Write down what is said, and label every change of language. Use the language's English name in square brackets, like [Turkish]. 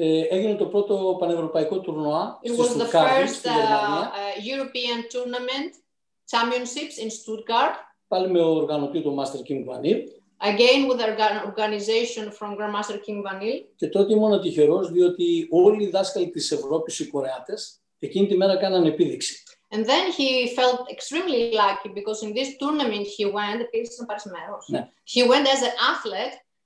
[Greek] Έγινε το πρώτο πανευρωπαϊκό τουρνουά στη Στουτγκάρτ, στη Γερμανία. [English] It was the first European tournament championships in Stuttgart. [Greek] Πάλι με οργανωτή του Master Kim Vanille. [English] Again with our organization from Grandmaster Kim Vanille. [Greek] Και τότε ήμουν τυχερός διότι όλοι οι δάσκαλοι της Ευρώπης, οι Κορεάτες, εκείνη τη μέρα κάναν επίδειξη. [English] And then he felt extremely lucky because in this tournament he went, he went as an athlete.